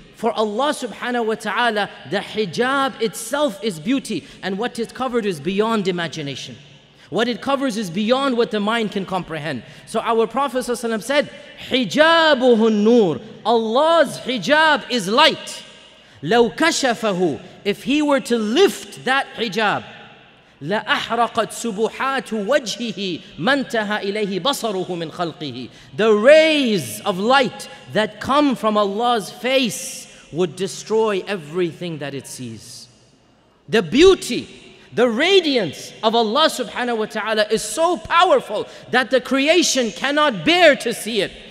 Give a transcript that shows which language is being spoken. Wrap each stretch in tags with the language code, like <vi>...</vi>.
<en>For Allah subhanahu wa ta'ala, the hijab itself is beauty, and what is covered is beyond imagination. What it covers is beyond what the mind can comprehend. So our Prophet ﷺ said,</en> <ar>حِجَابُهُ النُّورِ.</ar> <en>Allah's hijab is light.</en> <ar>لَوْ كَشَفَهُ.</ar> <en>If he were to lift that hijab,</en> <ar>لَأَحْرَقَتْ سُبُحَاتُ وَجْهِهِ مَنْتَهَا إِلَيْهِ بَصَرُهُ مِنْ خَلْقِهِ.</ar> <en>The rays of light that come from Allah's face would destroy everything that it sees. The beauty, the radiance of Allah subhanahu wa ta'ala is so powerful that the creation cannot bear to see it.</en>